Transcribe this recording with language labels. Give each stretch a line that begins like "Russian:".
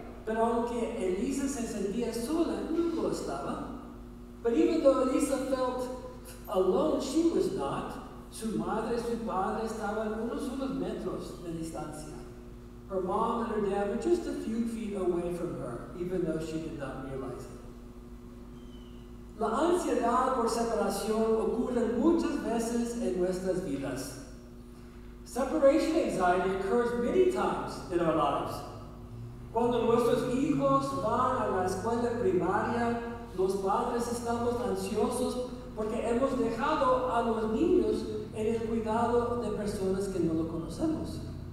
Spanish: Pero aunque Elisa se sentía sola, nunca estaba.
English: But even though Elisa felt alone, she was not.
Spanish: Su madre y su padre estaban unos metros de distancia.
English: Her mom and her dad were just a few feet away from her, even though she did not realize it.
Spanish: La ansiedad por separación ocurre muchas veces en nuestras vidas.
English: Separation anxiety occurs many times in our lives.
Spanish: Cuando nuestros hijos van a la escuela primaria, los padres estamos ansiosos porque hemos dejado a los niños en el cuidado de personas que no lo conocemos.